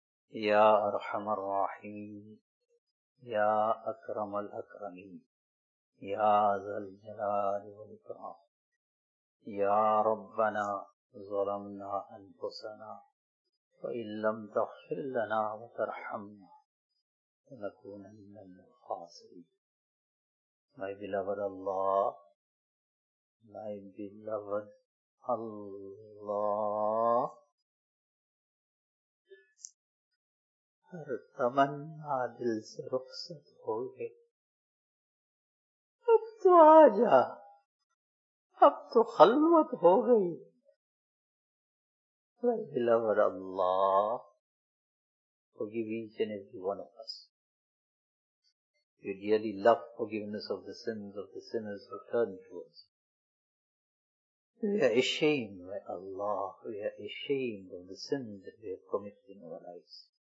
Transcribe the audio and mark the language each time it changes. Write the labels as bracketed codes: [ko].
[ar] يا أرحم الراحمين، يا أكرم الأكرمين، يا ذا الجلال والإكرام، يا ربنا ظلمنا أنفسنا وإن لم تغفر لنا وترحمنا لنكونن من الخاسرين. [en] My beloved Allah, my beloved Allah, [ur] ہر تمنا دل سے رخصت ہو گئے، اب تو آ جا، اب تو خلوت ہو گئی. [en] My beloved Allah, forgive each and every one of us. You dearly love forgiveness of the sins of the sinners who turn to us. We are ashamed, my Allah, we are ashamed of the sins that we have committed in our lives.